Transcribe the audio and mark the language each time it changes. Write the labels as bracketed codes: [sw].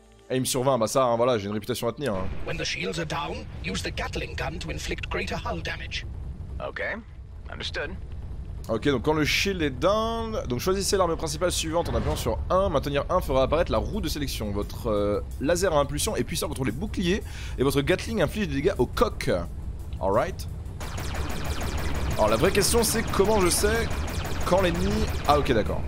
[fr] Aim sur 20, bah ça, hein, voilà, j'ai une réputation à tenir. [en] When the shields are down, use the Gatling gun to inflict greater hull damage. Okay, understood. [fr] Ok, donc quand le shield est down, donc choisissez l'arme principale suivante en appuyant sur 1. Maintenir 1 fera apparaître la roue de sélection. Votre laser à impulsion est puissant contre les boucliers et votre Gatling inflige des dégâts au coq. Alright. Alors la vraie question, c'est comment je sais quand l'ennemi... Ah ok, d'accord.